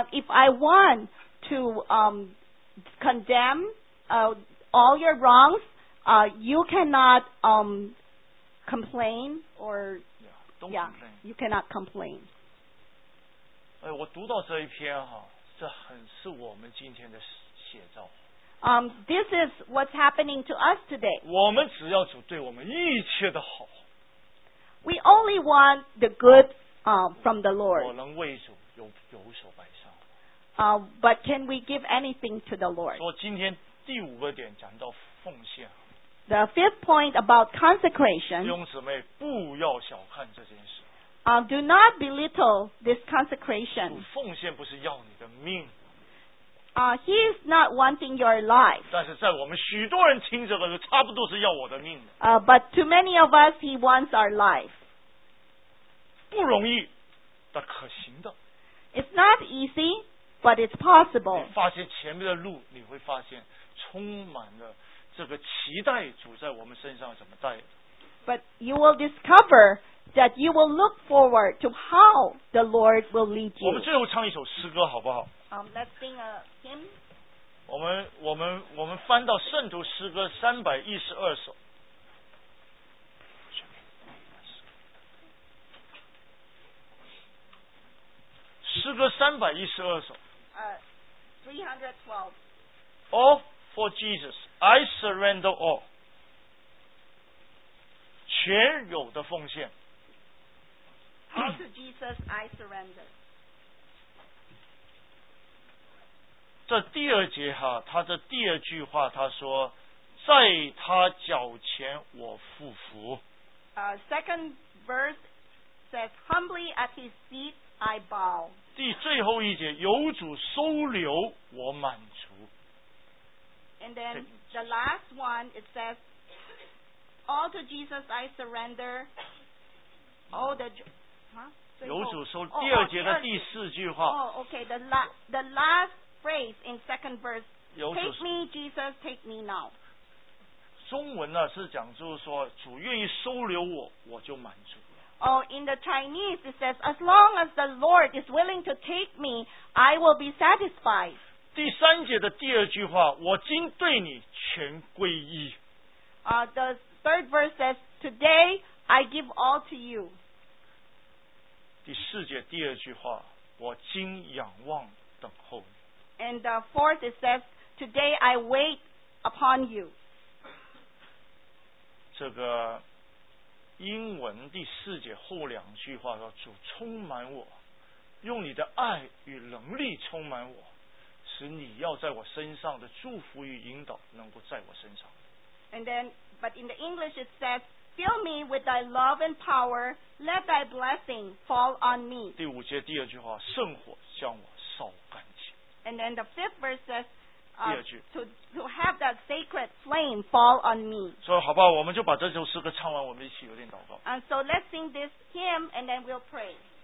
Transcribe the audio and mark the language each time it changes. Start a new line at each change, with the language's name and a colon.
English: If I want to condemn all your wrongs, you cannot complain or you cannot complain.
Chinese: 哎，我读到这一篇哈，这很是我们今天的写照。
English: This is what's happening to us today.
Chinese: 我们只要主对我们一切的好。
English: We only want the good from the Lord.
Chinese: 我能为主有所摆上。
English: But can we give anything to the Lord?
Chinese: 说今天第五个点讲到奉献。
English: The fifth point about consecration.
Chinese: 弟兄姊妹，不要小看这件事。
English: Do not belittle this consecration.
Chinese: 奉献不是要你的命。
English: He is not wanting your life.
Chinese: 但是在我们许多人听这个，差不多是要我的命的。
English: But to many of us, he wants our life.
Chinese: 不容易，但可行的。
English: It's not easy, but it's possible.
Chinese: 发现前面的路，你会发现充满了这个期待，主在我们身上怎么带。
English: But you will discover that you will look forward to how the Lord will lead you.
Chinese: 我们最后唱一首诗歌好不好？
English: Let's sing a hymn.
Chinese: 我们翻到圣徒诗歌312首。诗歌312首。
English: 312. All for Jesus, I surrender all.
Chinese: 全有的奉献。
English: All to Jesus, I surrender.
Chinese: 这第二节哈，他这第二句话，他说，在他脚前我俯伏。
English: Second verse says, humbly at his feet I bow.
Chinese: 第最后一节，有主收留我满足。
English: And then the last one, it says, all to Jesus I surrender, all the
Chinese: 有主收第二节的第四句话。
English: The last phrase in second verse, take me, Jesus, take me now.
Chinese: 中文呢是讲就是说，主愿意收留我，我就满足。
English: Oh, in the Chinese, it says, as long as the Lord is willing to take me, I will be satisfied.
Chinese: 第三节的第二句话，我今对你全归依。
English: The third verse says, today I give all to you.
Chinese: 第四节第二句话，我今仰望等候。
English: And the fourth, it says, today I wait upon you.
Chinese: 这个英文第四节后两句话说，主充满我，用你的爱与能力充满我，使你要在我身上的祝福与引导能够在我身上。
English: And then, but in the English it says, fill me with thy love and power, let thy blessing fall on me.
Chinese: 第五节第二句话，圣火将我烧干。
English: And then the fifth verse says, to have that sacred flame fall on me.
Chinese: 所以好不好，我们就把这首诗歌唱完，我们一起有点祷告。
English: And so let's sing this hymn and then we'll pray.